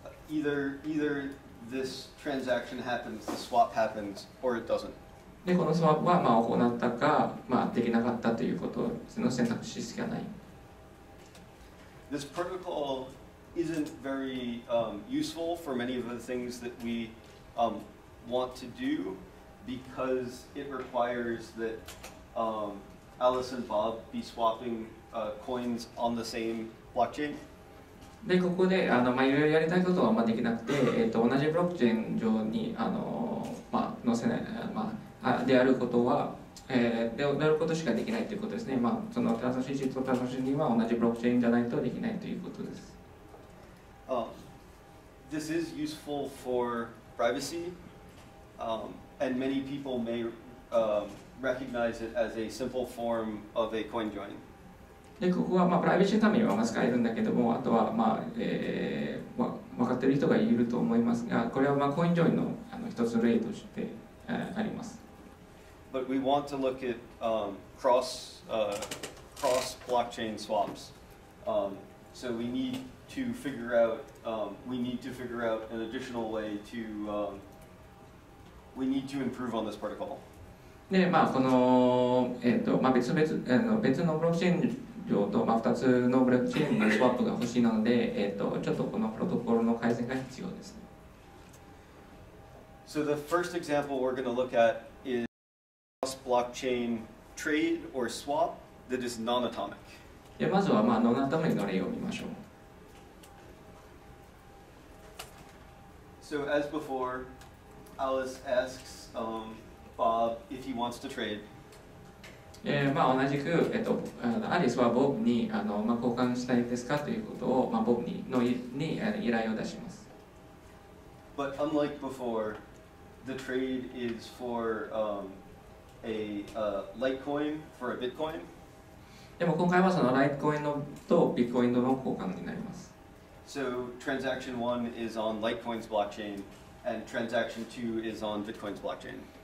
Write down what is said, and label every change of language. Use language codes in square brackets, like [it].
[en] Either this transaction happens, the swap happens, or it doesn't. [ja] で、このスワップは、まあ、行ったか、まあ、できなかったということの選択肢しかない。 [en] This protocol isn't very useful for many of the things that we want to do because it requires that Alice and Bob be swapping coins on the same blockchain. [ja] で、ここで、あの、まあ、いろいろやりたいことはあんまできなくて、同じブロックチェーン上に、あの、まあ、載せない、まあ、であることは、であることしかできないということですね。まあ、そのトランザクション1とトランザクション2は同じブロックチェーンじゃないとできないということです。 [en] This is useful for privacy, and many people may recognize it as a simple form of a coin join. [ja] で、ここはまあプライバシーのためには使えるんだけども、あとはまあ、まあ、分かってる人がいると思いますが、これはまあコインジョインの、あの、一つの例として、あります。 [en] But we want to look at cross blockchain swaps. So we need. We need to figure out an additional way to we need to improve on this protocol. [ja] で、まあこの別々のブロックチェーン上と、まあ、2つのブロックチェーンのスワップが欲しいなので、ちょっとこのプロトコルの改善が必要ですね。 [en] So the first example we're going to look at is cross blockchain trade or swap that is non-atomic. [ja] で、まずはまあノンアトミックの例を見ましょう。 [en] So as before, Alice asks Bob if he wants to trade. [ja] まあ同じく、アリスはボブに、あの、まあ、交換したいですかということを、まあ、ボブに、の、に、依頼を出します。 [en] But unlike before, the trade is for Litecoin for a Bitcoin. [ja] でも今回はその Litecoin のと Bitcoin の交換になります。 [en] So transaction 1 is on Litecoin's blockchain, and transaction 2 is on Bitcoin's blockchain.